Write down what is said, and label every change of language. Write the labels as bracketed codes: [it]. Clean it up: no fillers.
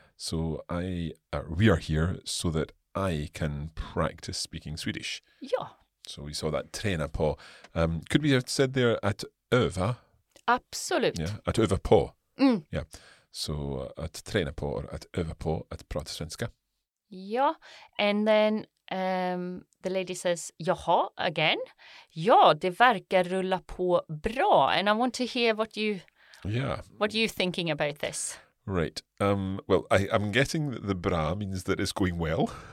[en] So we are here so that I can practice speaking Swedish. [sv] Ja. [en] So we saw that [sv] träna på. [en] Could we have said there [sv] att öva? Absolut. Yeah, att öva på. Ja. Så att träna på, att öva på att prata svenska. [en] Ja, and then the lady says, jaha, again. [sv] Ja, det verkar rulla på bra. [en] And I want to hear what you, yeah, what are you thinking about this? Right. Well, I'm getting that the bra means that it's going well.